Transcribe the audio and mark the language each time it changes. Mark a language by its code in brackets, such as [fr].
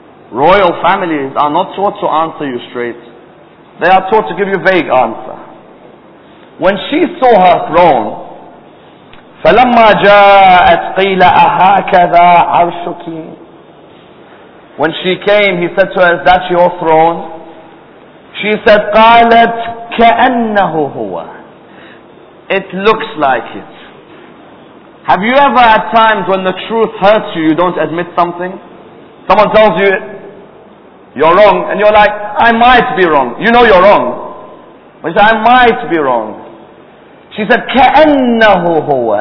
[en] Royal families are not taught to answer you straight. They are taught to give you a vague answer. When she saw her throne, [ar] فَلَمَّا جَاءَتْ قِيلَ أَهَاكَذَا عَرْشُكِ. [en] When she came, he said to her, is that your throne? She said, [ar] قَالَتْ كَأَنَّهُ هُوَ. [en] It looks like it. Have you ever at times when the truth hurts you, you don't admit something? Someone tells you it. You're wrong, and you're like, I might be wrong. You know you're wrong. But she said, I might be wrong. She said, [ar] كَأَنَّهُ هُوَ.